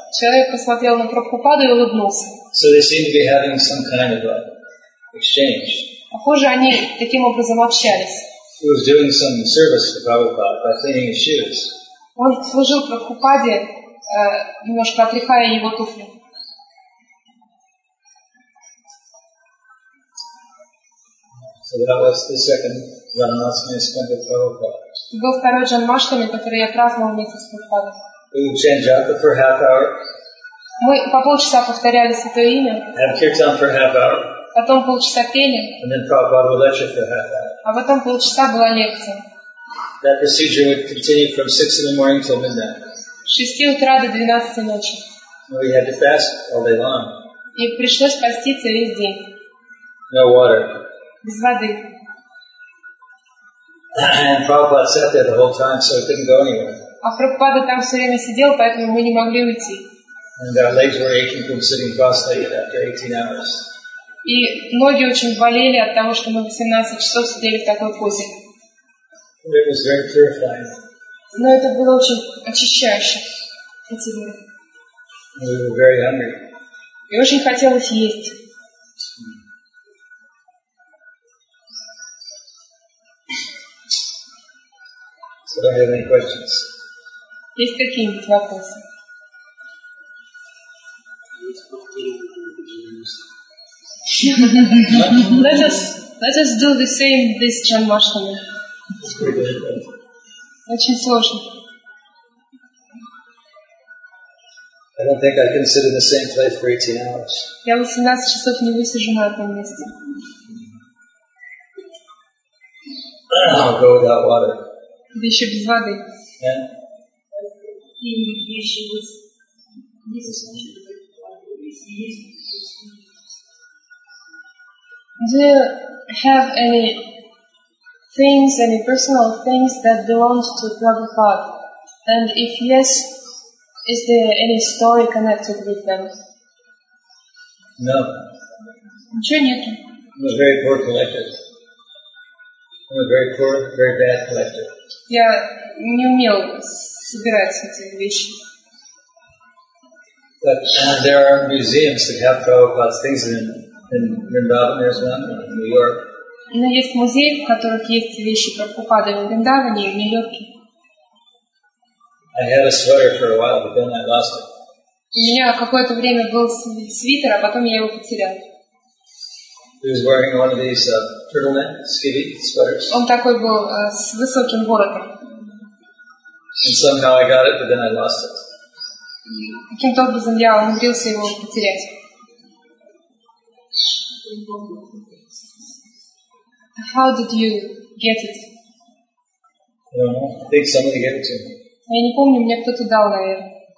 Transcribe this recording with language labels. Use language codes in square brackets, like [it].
[ru] Человек посмотрел на Прабхупаду и улыбнулся. [en] So they seemed to be having some kind of an exchange. [ru] Похоже, они таким образом общались. [en] He was doing some service for Prabhupada by cleaning his shoes. [ru] Он служил Прабхупаде, немножко отряхая его туфли. [en] So that was the second Janmashtami I spent with Prabhupada. [ru] Был второй Джанмаштами, который я праздновал вместе с Прабхупадой. [en] We would chant japa for half hour. [ru] Мы по полчаса повторяли святое имя. [en] Have kirtan for half hour. [ru] Потом полчаса пели. [en] And then Prabhupada would lecture for half hour. [ru] А потом полчаса была лекция. [en] That procedure would continue from 6 in the morning till midnight. [ru] С 6 утра до 12 ночи. [en] And we had to fast all day long. [ru] И пришлось поститься весь день. [en] No water. [ru] Без воды. [en] And Prabhupada sat there the whole time, so it couldn't go anywhere. [ru] А Прабхупада там все время сидел, поэтому мы не могли уйти. [en] And our legs were aching from sitting cross-legged after 18 hours. [ru] И ноги очень болели от того, что мы 18 часов сидели в такой позе. [en] It was very purifying. [ru] Но это было очень очищающе. Эти дни. [en] We were very hungry. [ru] И очень хотелось есть. [en] So do you have any questions? [ru] Есть какие-нибудь вопросы? [en] let us do the same this Janmashtami. [ru] Очень сложно. [en] I don't think I can sit in the same place for 18 hours. [ru] Я 18 часов не высижу на этом месте. [en] I'll go without water. [ru] Да еще без воды. [en] Do you have any things, any personal things that belong to Prabhupada? And if yes, is there any story connected with them? No. I'm sure you can. I'm a very poor collector. I'm a very poor, very bad collector. [ru] Я не умел собирать эти вещи. [en] But there are museums that have Prabhupada's things in Vrindavan, there's one in New York. [ru] Но есть музеи, в которых есть вещи Прабхупады в Вриндаване и в Нью-Йорке. [en] I had a sweater for a while, but then I lost it. [ru] У меня какое-то время был свитер, а потом я его потерял. [en] He was wearing one of these turtleneck skivvy sweaters. [ru] Он такой был с высоким воротом. [en] And somehow I got it, but then I lost it. [ru] Каким-то образом я умудрился его потерять. [en] How did you get it? I don't know. I think somebody gave it to me. [ru] Я не помню, мне кто-то дал, наверное.